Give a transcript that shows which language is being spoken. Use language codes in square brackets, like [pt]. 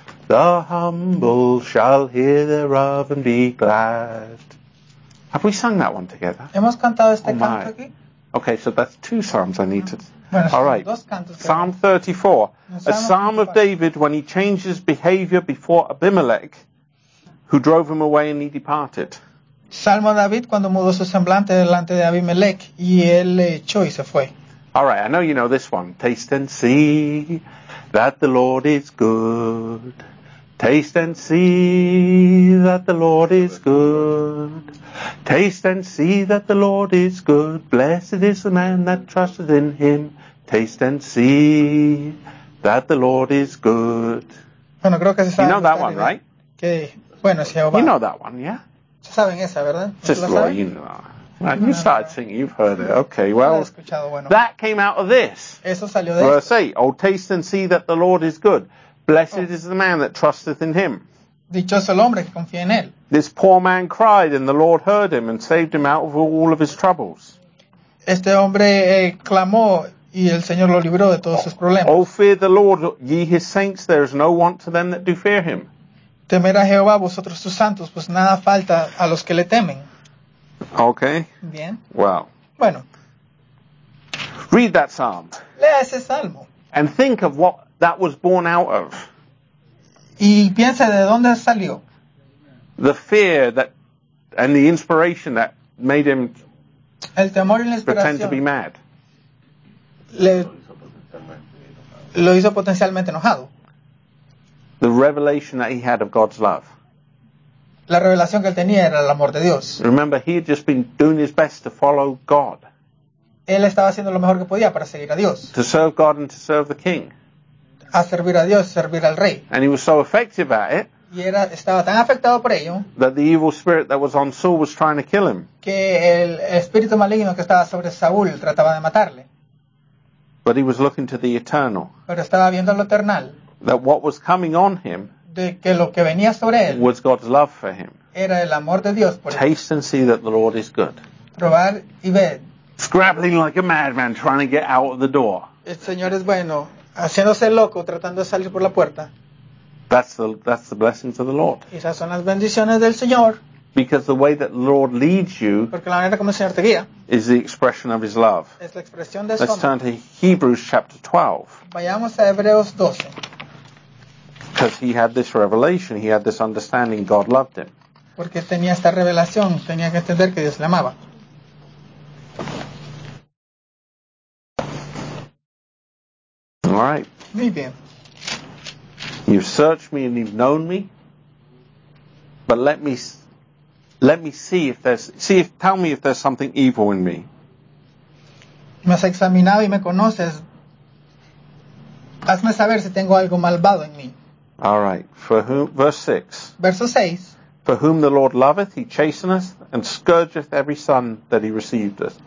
[en] The humble shall hear thereof and be glad. Have we sung that one together? [es] Hemos cantado este canto aquí? [en] Okay, so that's two psalms I need to... [es] Bueno, [en] all right, Psalm 34, a psalm of David when he changed his behavior before Abimelech, who drove him away and he departed. [es] Salmo David cuando mudó su semblante delante de Abimelech y él le echó y se fue. [en] All right, I know you know this one. Taste and see that the Lord is good. Taste and see that the Lord is good. Taste and see that the Lord is good. Blessed is the man that trusteth in him. Taste and see that the Lord is good. [es] Bueno, creo que se sabe. [en] You know that one, right? [es] Que, bueno, si Jehová. [en] You know that one, yeah? [es] Se saben esa, ¿verdad? [en] Just Lord, you know. Right, you started singing, you've heard it. Okay, well, [es] bueno, [en] that came out of this. [es] Eso salió de [en] verse 8. Oh, taste and see that the Lord is good. Blessed is the man that trusteth in him. [es] Dichoso el hombre que confía en él. [en] This poor man cried, and the Lord heard him and saved him out of all of his troubles. [es] Este hombre clamó y el Señor lo libró de todos sus problemas. [en] Oh, fear the Lord, ye his saints, there is no want to them that do fear him. [es] Temer a Jehová, vosotros sus santos, pues nada falta a los que le temen. [en] Okay. [es] Bien. [en] Well. [es] Bueno. [en] Read that psalm. [es] Lea ese salmo. [en] And think of what that was born out of. [es] Y piensa de dónde salió. [en] The fear that and the inspiration that made him [es] el temor y la inspiración [en] pretend to be mad. [es] Lo hizo potencialmente enojado. [en] The revelation that he had of God's love. [es] La revelación que él tenía era el amor de Dios. [en] Remember, he had just been doing his best to follow God. [es] Él estaba haciendo lo mejor que podía para seguir a Dios. [en] To serve God and to serve the king. [es] A servir a Dios, servir al rey. [en] And he was so affected by it. [es] Y era, estaba tan afectado por ello. [en] That the evil spirit that was on Saul was trying to kill him. [es] Que el espíritu maligno que estaba sobre Saúl trataba de matarle. [en] But he was looking to the eternal. [es] Pero estaba viendo lo eternal. [en] That what was coming on him. [es] De que lo que venía sobre él. [en] Was God's love for him. [es] Era el amor de Dios por él. [en] Taste and see that the Lord is good. [es] Probar y ver. [en] Scrabbling like a madman trying to get out of the door. [es] El Señor es bueno. Haciéndose loco, tratando de salir por la puerta. [en] That's the blessings of the Lord. [es] Esas son las bendiciones del Señor. [en] Because the way that the Lord leads you. [es] Porque la manera como el Señor te guía. [en] Is the expression of his love. [es] Es la expresión de su amor. [en] Let's turn to Hebrews chapter 12. [es] Vayamos a Hebreos 12. [en] Because he had this revelation, he had this understanding, God loved him. [es] Porque tenía esta revelación, tenía que entender que Dios le amaba. [en] All right. [es] Muy bien. [en] You've searched me and you've known me, but let me see if tell me if there's something evil in me. [es] Me has examinado y me conoces. Hazme saber si tengo algo malvado en mí. [en] All right. For whom? Verse 6. [es] Verso 6. [en] For whom the Lord loveth, he chasteneth and scourgeth every son that he received us.